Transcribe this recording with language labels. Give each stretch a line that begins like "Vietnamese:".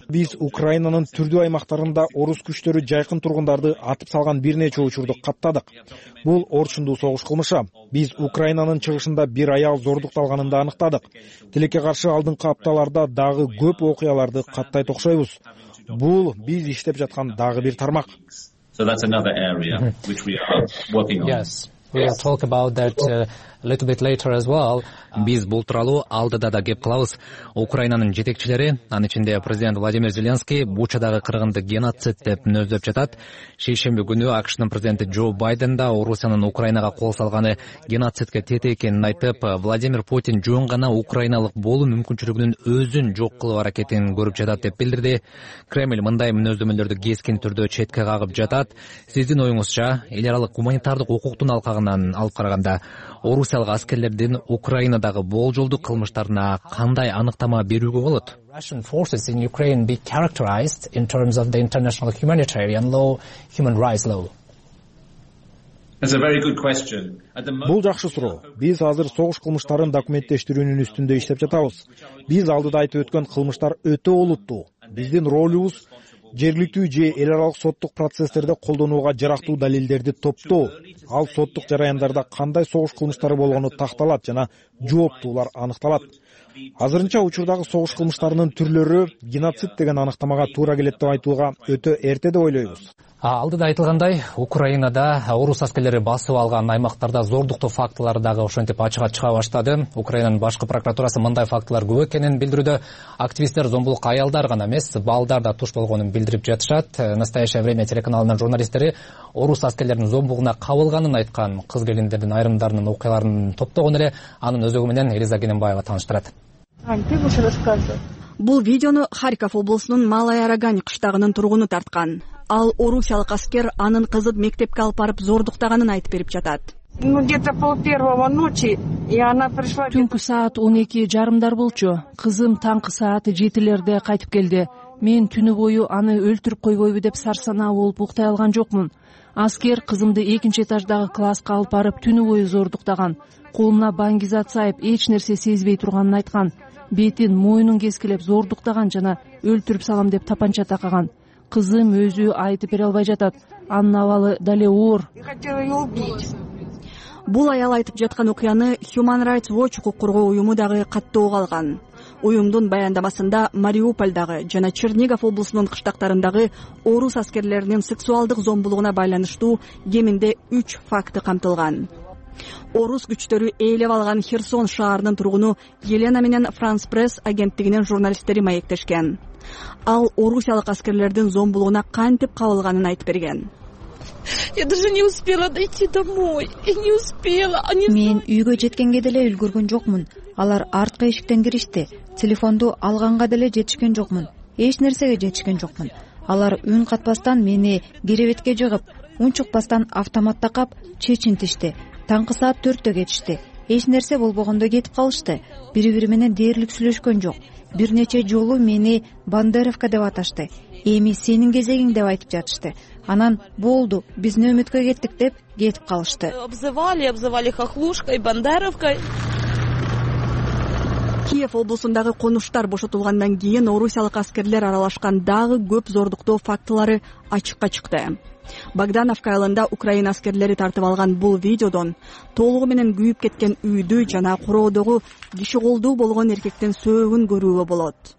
Kyrgyz: Биз Украинанын түрдүү аймактарында орус күчтөрү жайкын тургундарды атып салган бир нече учурду каттадык. Бул орчундуу согуш кылмышы. Биз Украинанын чыгышында бир аял зордукталганын да аныктадык. Тилекке каршы алдыңкы апталарда дагы көп окуяларды каттайт окшойбуз. Бул биз иштеп жаткан дагы бир тармак.
English: So that's another area which we are working on. Yes. We'll talk about that a little bit later as well.
Kyrgyz: Биз бул тууралуу алдыда да кеп кылабыз. Украинанын жетекчилери, анын ичинде президент Владимир Зеленский Бучадагы кыргынды геноцид деп мүнөздөп жатат. Шейшемби күнү АКШнын президенти Джо Байден да Орусиянын Украинага кол салганы геноцидке тетек экенин айтып, Владимир Путин жөн гана украиналык болуу мүмкүнчүлүгүнүн өзүн жок кылуу аракетин көрүп жатат деп билдирди. Кремль мындай мүнөздөмөлөрдү кескин түрдө четке кагып жатат. Сиздин оюңузча, эл аралык гуманитардык укуктун алкагынан алып караганда орусиялык аскерлердин Украинадагы болжолдуу кылмыштарына кандай аныктама берүүгө болот?
English: Russian forces in Ukraine be characterized in terms of the international humanitarian law, human rights law. That's a very good question.
Kyrgyz: Бул жакшы суроо. Биз азыр согуш кылмыштарын документтештирүүнүн үстүндө иштеп жатабыз. Биз алдыда айтып өткөн кылмыштар өтө олуттуу. Биздин ролубуз жергиликтүү же эл аралык соттук процесстерде колдонууга жарактуу далилдерди топтоо, ал соттук жараяндарда кандай согуш кылмыштары болгону такталат жана жооптуулар аныкталат. Азырынча учурдагы согуш кылмыштарынын түрлөрү геноцид деген аныктамага туура келет деп айтууга өтө эрте деп ойлойбуз. Алдыда айтылгандай, Украинада орус аскерлери басып алган аймактарда зордуктуу фактылар дагы ошентип ачыга чыга баштады. Украинанын башкы прокуратурасы мындай фактылар көп экенин билдирүүдө. Активисттер зомбулукка аялдар гана эмес, балдар да туш болгонун билдирип жатышат. Настоящее время телеканалынын журналисттери орус аскерлеринин зомбугуна кабылганын айткан кыз келиндердин айрымдарынын окуяларын топтогон эле анын өзөгү менен Элиза Кененбаева тааныштырат. Бул видеону Харьков облусунун Малая Арагань кыштагынын тургуну тарткан. Ал орусиялык аскер анын кызын мектепке алып барып зордуктаганын айтып берип жатат.
Russian: Где-то пол первого ночи, и она пришла.
Kyrgyz: Түнкү саат 12:30 болчу. Кызым таңкы саат 7:00 кайтып келди. Мен түнү бою аны өлтүрүп койбойбу деп сарсана болуп уктай алган жокмун. Аскер кызымды 2-этаждагы класска алып барып түнү бою зордуктаган. Колумна бангизат сайып, эч нерсе сезбей турганын айткан. Бетин, мойнун кескилеп зордуктаган жана өлтүрүп салам деп тапанча такаган. Кызым өзү айтып бере албай жатат. аннавалы дале оор. Бул аял айтып жаткан окуяны Human Rights Watch укук коргоо уюму дагы каттоого алган. Уюмдун баяндамасында Мариупольдагы жана Чернигов облусунун кыштактарындагы орус аскерлеринин сексуалдык зомбулугуна байланыштуу кеминде 3 факты камтылган. Орус күчтөрү ээлеп алган Херсон шаарынын тургуну Елена менен France Press агенттигинин журналисттери маектешкен. Ал орусиялык аскерлердин зомбулугуна кантип кабылганын айтып берген.
Russian: Я даже не успела дойти домой. И не успела. Они...
Kyrgyz: Мен үйгө жеткенге деле үлгүргөн жокмун. Алар арткы эшиктен киришти. Телефонду алганга деле жетишкен жокмун. Эч нерсеге жетишкен жокмун. Алар үн катпастан мени керебетке жыгып, унчукпастан автомат такап, чечинтишти. Таңкы саат 4-тө кетишти. Эч нерсе болбогондо кетип калышты. Бири-бири менен дээрлик сүйлөшкөн жок. Бир нече жолу мени Бандеровка деп аташты. Эми сенин кезегиң деп айтып жатышты. Анан болду, биз өмүткө кеттик деп кетип калышты.
Russian: Обзывали хохлушкой, Бандеровкой.
Kyrgyz: Киев облусундагы конуштар бошотулгандан кийин орусиялык аскерлер аралашкан дагы көп зордуктоо фактылары ачыкка чыкты. Богдановка айылында Украина аскерлери тартып алган бул видеодон толугу менен күйүп кеткен үйдү жана куроодогу киши колдуу болгон эркектин сөөгүн көрүүгө болот.